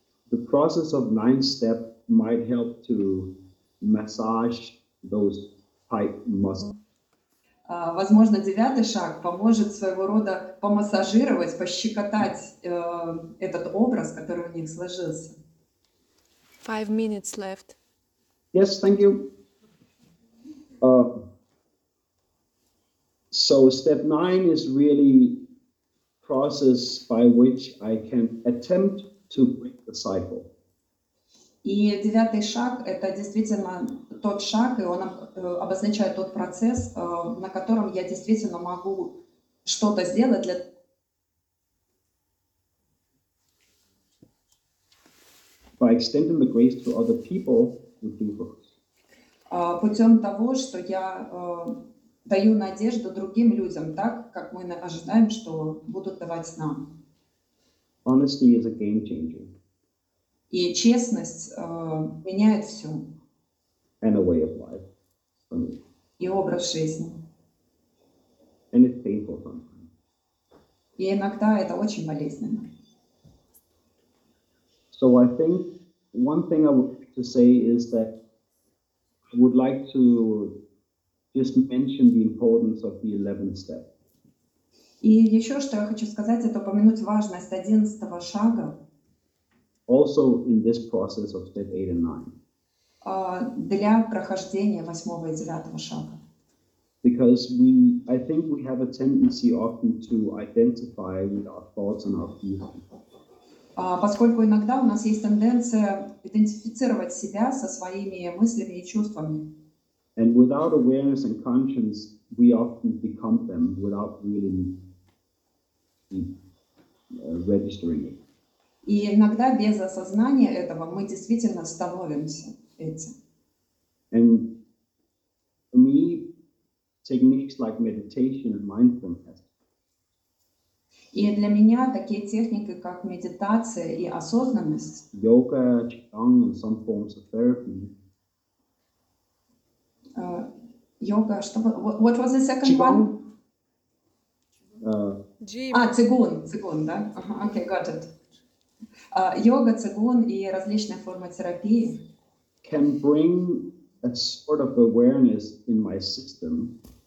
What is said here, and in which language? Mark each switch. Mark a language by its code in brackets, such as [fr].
[en] the process of nine steps might help to massage those tight muscles. [ru] Возможно, девятый шаг поможет своего рода помассажировать, пощекотать этот образ, который у них сложился. [en] 5 minutes left. Yes, thank you. So step nine is really process by which I can attempt to break the cycle. [ru] И девятый шаг — это действительно тот шаг, и он обозначает тот процесс, на котором я действительно могу что-то сделать для... [en] By extending the grace to other people with good works. [ru] Путем того, что я даю надежду другим людям так, как мы ожидаем, что будут давать нам. [en] Honesty is a game changer. [ru] И честность меняет все. [en] And a way of life for me. [ru] И образ жизни. [en] And it's painful sometimes. [ru] И иногда это очень болезненно. [en] So I think one thing I would like to say is that I would like to just mention the importance of the 11th step. [ru] И еще что я хочу сказать, это упомянуть важность 11-го шага. [en] Also in this process of step 8 and 9. [ru] Для прохождения 8 и 9 шага. [en] Because we, I think we have a tendency often to identify with our thoughts and our feelings. [ru] Поскольку иногда у нас есть тенденция идентифицировать себя со своими мыслями и чувствами. [en] And without awareness and conscience, we often become them without really registering it. [ru] И иногда без осознания этого мы действительно становимся этим. [en] And for me, techniques like meditation and mindfulness. [ru] И для меня такие техники, как медитация и осознанность. Йога, чхонг [en] and some forms of therapy. [ru] Йога, что было? [en] What was the second qigong? One? [ru] Цигун, да? [en] Okay, got it. [ru] Йога, цигун и различные формы терапии [en] can bring a sort of awareness in my system.